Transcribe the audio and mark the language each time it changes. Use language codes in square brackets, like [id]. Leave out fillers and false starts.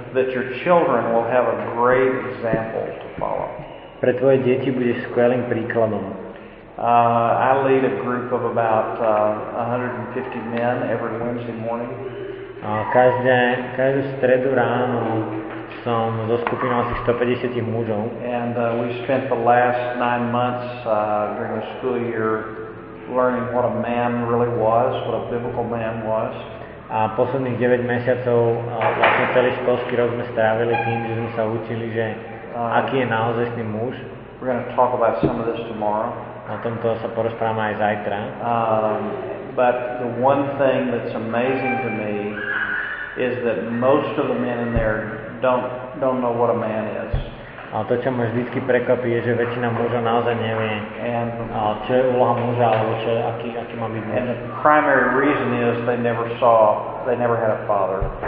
[en] That your children will have a great example to follow. [sk] Pre tvoje deti budeš skvelým príkladom. [en] I lead a group of about 150 men every Wednesday morning. [sk] Každú stredu ráno som so skupinou asi 150 mužov. [en] And we spent the last 9 months during the school year learning what a man really was, what a biblical man was. [sk] A posledných 9 mesiacov vlastne celý školský rok sme strávili tým, že sme sa učili, že aký je naozajstný muž. [en] We're going to talk about some of this tomorrow. [sk] O tomto sa porozprávame aj zajtra. [en] But the one thing that's amazing to me is that most of the men in there don't know what a man is. [sk] A to, čo ma vždycky prekvapí, je, že väčšina mužov naozaj nevie, [en] and, [sk] čo je úloha muža, alebo čo, aký má byť muž. [en] And the primary reason is they never had a father.